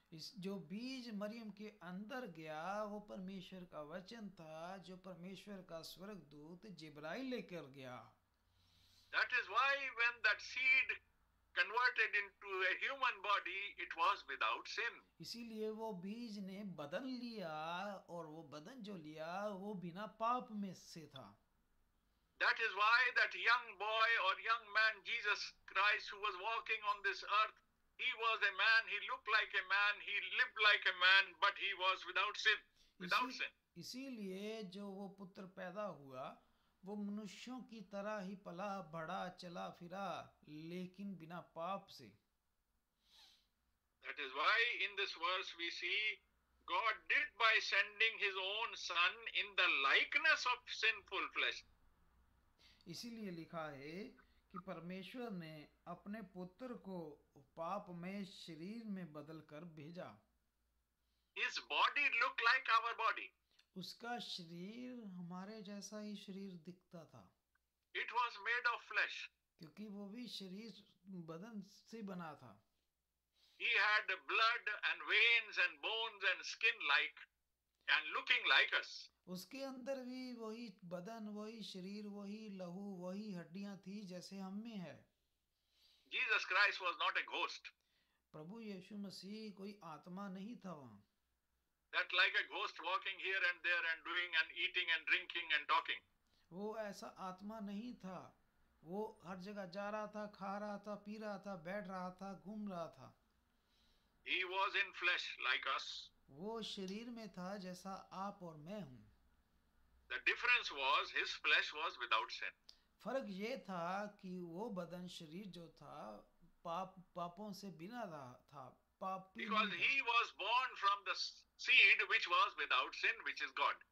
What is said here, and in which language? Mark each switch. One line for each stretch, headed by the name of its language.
Hindi: इस जो बीज मरियम के अंदर गया वो परमेश्वर का वचन था जो परमेश्वर का स्वर्ग दूत जिब्राइल लेकर गया.
English: That is why when that seed converted into a human body, it was without sin.
Hindi: इसीलिए वो बीज ने बदन लिया और वो बदन जो लिया वो बिना पाप में से था.
English: That is why that young boy or young man Jesus Christ who was walking on this earth, he was a man, he looked like a man, he lived like a man, but he was without sin, without sin.
Hindi: इसीलिए जो वो पुत्र पैदा हुआ वो मनुष्यों की तरह ही पला बड़ा चला फिरा लेकिन बिना पाप से.
English: That is why in this verse we see God did by sending his own son in the likeness of sinful flesh.
Hindi: इसीलिए लिखा है कि परमेश्वर ने अपने पुत्र को पाप में शरीर में बदल कर भेजा.
English: His body looked like our body.
Hindi: उसका शरीर हमारे जैसा ही शरीर दिखता था.
English: It was made of flesh.
Hindi: क्योंकि वो भी शरीर बदन से बना था.
English: He had blood and veins and bones and skin like and looking like us.
Hindi: उसके अंदर भी वही बदन वही शरीर वही लहू वही हड्डियां थी जैसे हम में है.
English: Jesus Christ was not a ghost.
Hindi: प्रभु यीशु मसीह कोई आत्मा नहीं था वहां.
English: That like a ghost walking here and there and doing and eating and drinking and talking.
Hindi: वो ऐसा आत्मा नहीं था. वो हर जगह जा रहा था खा रहा था पी रहा था बैठ रहा था घूम रहा था.
English: He was in flesh like us.
Hindi: वो शरीर में था जैसा आप और मैं हूँ.
English: The difference was his flesh was without sin.
Hindi: फर्क ये था कि वो बदन शरीर जो था पापों से बिना था.
English: Because he was born from the seed which was without sin, which is God.